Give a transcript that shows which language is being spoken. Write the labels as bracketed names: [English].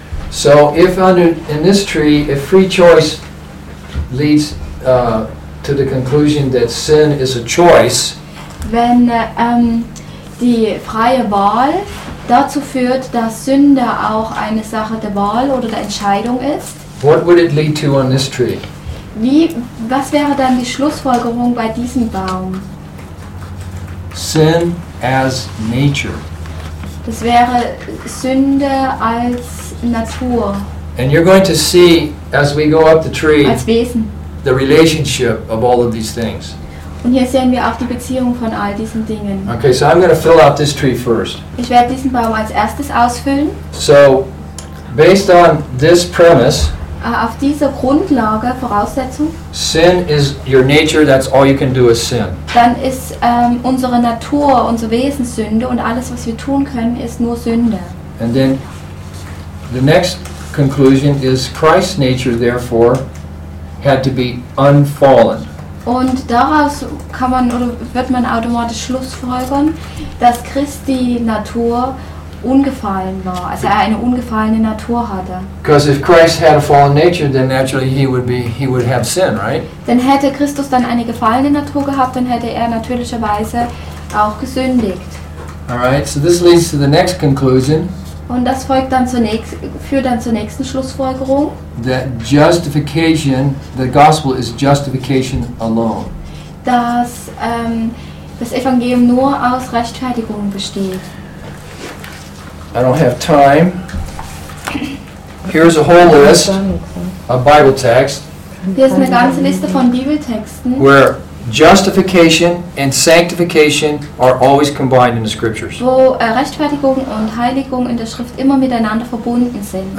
[English] So if under in this tree, if free choice leads to the conclusion that sin is a choice. [German] Wenn die freie Wahl dazu führt, dass Sünde auch eine Sache der Wahl oder der Entscheidung ist. [English] What would it lead to on this tree? [German] Was wäre dann die Schlussfolgerung bei diesem Baum? [English] Sin as nature. [German] Das wäre Sünde als Natur. [English] And you're going to see as we go up the tree. [German] Als Wesen. [English] The relationship of all of these things. [German] Und hier sehen wir auch die Beziehung von all diesen Dingen. [English] Okay, so I'm going to fill out this tree first. [German] Ich werde diesen Baum als erstes ausfüllen. [English] So, based on this premise. [German] Auf dieser Grundlage, Voraussetzung. [English] Sin is your nature, that's all you can do is sin. [German] Dann ist unsere Natur, unser Wesen Sünde, und alles, was wir tun können, ist nur Sünde. [English] And then, the next conclusion is Christ's nature, therefore, had to be unfallen. [German] Und daraus kann man oder wird man automatisch schlussfolgern, dass Christi Natur ungefallen war, also er eine ungefallene Natur hatte. [English] Because if Christ had a fallen nature, then naturally he would have sin, right? [German] Denn hätte Christus dann eine gefallene Natur gehabt, dann hätte er natürlicherweise auch gesündigt. [English] All right, so this leads to the next conclusion. [German] Und das führt dann zur nächsten Schlussfolgerung. [English] That justification, the gospel is justification alone. [German] Dass das Evangelium nur aus Rechtfertigung besteht. [English] I don't have time. Here's a whole list of Bible texts. [German] Hier ist eine ganze Liste von Bibeltexten. [English] Where justification and sanctification are always combined in the scriptures. [German] Wo Rechtfertigung und Heiligung in der Schrift immer miteinander verbunden sind.